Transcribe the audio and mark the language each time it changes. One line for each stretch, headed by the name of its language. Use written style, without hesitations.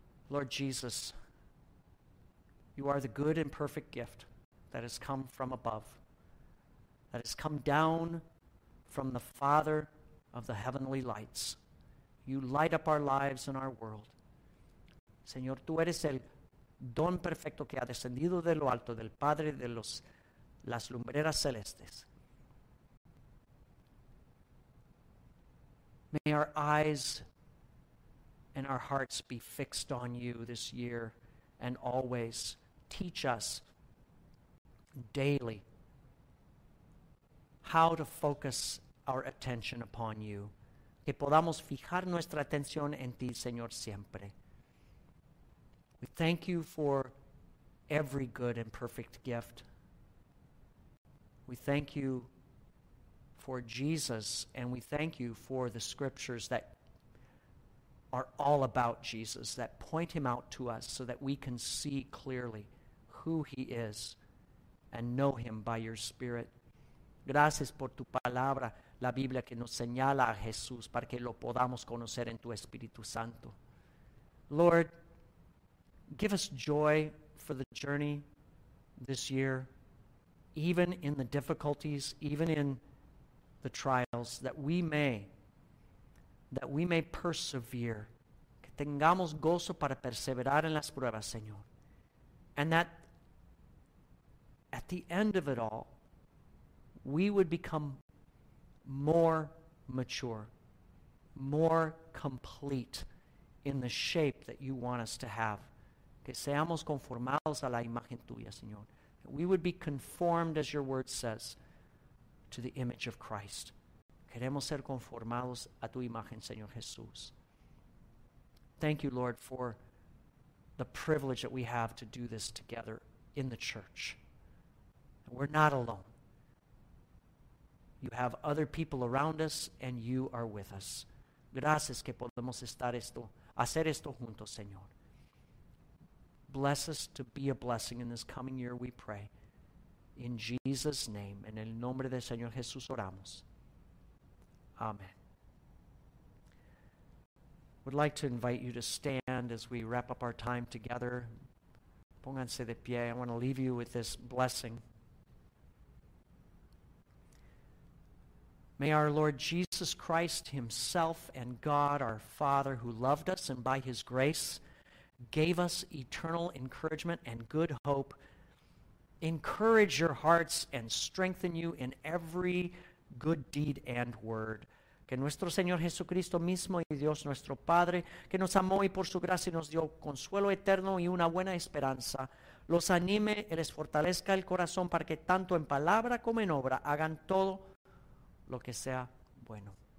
English: Lord Jesus, you are the good and perfect gift that has come from above, that has come down from the Father of the heavenly lights. You light up our lives and our world.
Spanish: Señor, tú eres el don perfecto que ha descendido de lo alto del Padre de las lumbreras celestes.
English: May our eyes and our hearts be fixed on you this year and always. Teach us daily how to focus our attention upon you.
Spanish: Que podamos fijar nuestra atención en ti, Señor, siempre.
English: We thank you for every good and perfect gift. We thank you for Jesus, and we thank you for the scriptures that are all about Jesus, that point him out to us so that we can see clearly who he is and know him by your Spirit.
Spanish: Gracias por tu palabra, la Biblia que nos señala a Jesús para que lo podamos conocer en tu Espíritu Santo.
English: Lord, give us joy for the journey this year, even in the difficulties, even in the trials, that we may persevere.
Spanish: Que tengamos gozo para perseverar en las pruebas, Señor.
English: And that at the end of it all, we would become more mature, more complete in the shape that you want us to have.
Spanish: Que seamos conformados a la imagen tuya, Señor.
English: That we would be conformed, as your word says, to the image of Christ.
Spanish: Queremos ser conformados a tu imagen, Señor Jesús.
English: Thank you, Lord, for the privilege that we have to do this together in the church. We're not alone. You have other people around us, and you are with us.
Spanish: Gracias que podemos estar esto, hacer esto juntos, Señor.
English: Bless us to be a blessing in this coming year, we pray. In Jesus' name,
Spanish: en el nombre del Señor Jesús, oramos.
English: Amen. Would like to invite you to stand as we wrap up our time together.
Spanish: Pónganse de pie.
English: I want to leave you with this blessing. May our Lord Jesus Christ himself and God our Father, who loved us and by his grace gave us eternal encouragement and good hope, encourage your hearts and strengthen you in every good deed and word.
Spanish: Que nuestro Señor Jesucristo mismo y Dios nuestro Padre, que nos amó y por su gracia nos dio consuelo eterno y una buena esperanza, los anime y les fortalezca el corazón para que tanto en palabra como en obra hagan todo lo que sea bueno.